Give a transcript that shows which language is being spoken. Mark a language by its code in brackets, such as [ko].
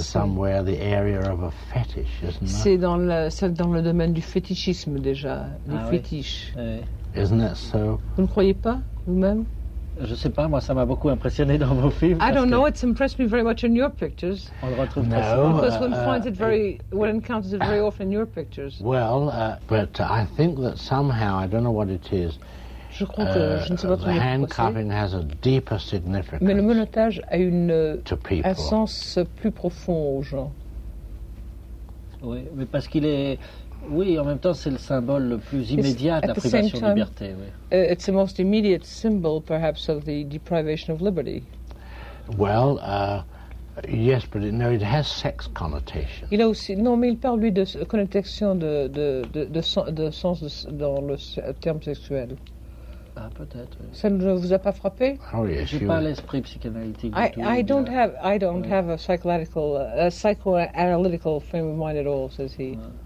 [en] Somewhere the area of a fetish, isn't it? [fr] C'est dans le domaine du fétichisme déjà, du fétiche. [en] Oui. Isn't that so? [fr] Vous ne croyez pas vous-même? Je ne sais pas, moi ça m'a beaucoup impressionné dans vos films. [en] I don't know, it's impressed me very much in your pictures. [fr] On le retrouve [en] no, [fr] pas [en] because one finds it very, one encounters it very often in your pictures. Well, but I think that somehow, I don't know what it is. [fr] Je crois que je ne sais pas [en] the handcuffing has a deeper significance. [fr] Mais le menottage a un sens plus profond aux gens. Oui, mais parce qu'il est, oui, en même temps, c'est le symbole le plus immédiat de la privation de liberté. Oui. [en] It's the most immediate symbol, perhaps, of the deprivation of liberty. Well, yes, but it has sex connotations. [fr] Il a aussi, non, mais il parle lui de connotation de sens dans le terme sexuel. Ah, peut-être, oui. Ça ne vous a pas frappé? [en] Oh, yes, [fr] j'ai pas l'esprit psychanalytique. [en] I don't have a psychological, psychoanalytical frame of mind at all, says he.